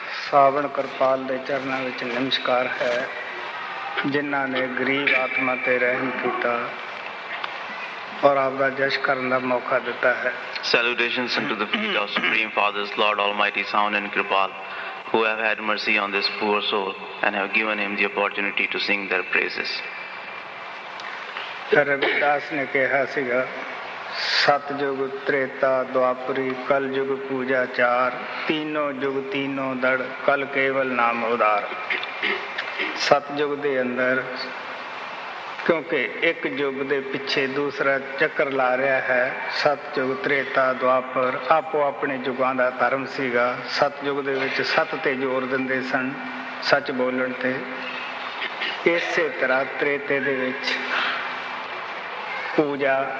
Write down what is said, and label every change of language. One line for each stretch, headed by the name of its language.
Punjabi: ਸਾਵਣ ਕਿਰਪਾਲ ਦੇ ਚਰਨਾਂ ਵਿੱਚ ਨਮਸਕਾਰ ਹੈ ਜਿਨ੍ਹਾਂ ਨੇ ਗਰੀਬ ਆਤਮਾ 'ਤੇ ਰਹਿਮ ਕੀਤਾ ਔਰ ਆਪਦਾ ਜਸ਼ ਕਰਨ ਦਾ ਮੌਕਾ ਦਿੱਤਾ ਹੈ
English: Salutations unto the feet of Supreme Fathers, Lord Almighty, Sound and Kirpal, who have had mercy on this poor soul and have given him the opportunity to sing their praises.
Punjabi: Ravidas ਨੇ ਕਿਹਾ ਸੀਗਾ ਸਤਿਯੁਗ ਤ੍ਰੇਤਾ ਦੁਆਪਰੀ ਕਲਯੁਗ ਪੂਜਾ ਚਾਰ ਤੀਨੋ ਯੁਗ ਤੀਨੋ ਦੜ ਕਲ ਕੇਵਲ ਨਾਮ ਉਧਾਰ ਸਤਿਯੁਗ ਦੇ ਅੰਦਰ ਕਿਉਂਕਿ ਇੱਕ ਯੁਗ ਦੇ ਪਿੱਛੇ ਦੂਸਰਾ ਚੱਕਰ ਲਾ ਰਿਹਾ ਹੈ ਸਤਿਯੁਗ ਤ੍ਰੇਤਾ ਦੁਆਪਰ ਆਪੋ ਆਪਣੇ ਯੁਗਾਂ ਦਾ ਧਰਮ ਸੀਗਾ ਸਤਿਯੁਗ ਦੇ ਵਿੱਚ ਸੱਤ 'ਤੇ ਜ਼ੋਰ ਦਿੰਦੇ ਸਨ ਸੱਚ ਬੋਲਣ 'ਤੇ ਇਸੇ ਤਰ੍ਹਾਂ ਤ੍ਰੇਤੇ ਦੇ ਵਿੱਚ ਪੂਜਾ